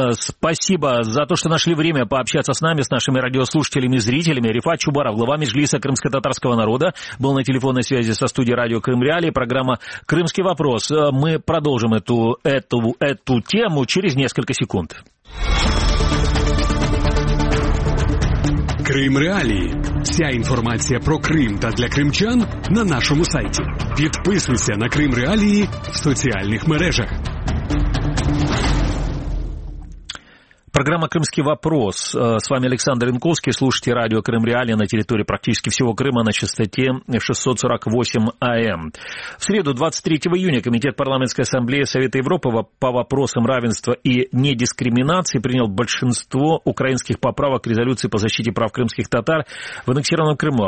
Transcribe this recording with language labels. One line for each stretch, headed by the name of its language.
Russian: Спасибо за то, что нашли время пообщаться с нами, с нашими радиослушателями и зрителями. Рифат Чубаров, глава Меджлиса крымско-татарского народа, был на телефонной связи со студией радио «Крым Реалии», программа «Крымский вопрос». Мы продолжим эту тему через несколько секунд.
Ukrainian: «Крым Реалії». Вся інформація про Крим та для кримчан на нашому сайті. Підписуйся на «Крим Реалії» в соціальних мережах.
Russian: Программа «Крымский вопрос». С вами Александр Янковский. Слушайте радио «Крым Реалии» на территории практически всего Крыма на частоте 648 АМ. В среду, 23 июня, Комитет Парламентской Ассамблеи Совета Европы по вопросам равенства и недискриминации принял большинство украинских поправок к резолюции по защите прав крымских татар в аннексированном Крыму.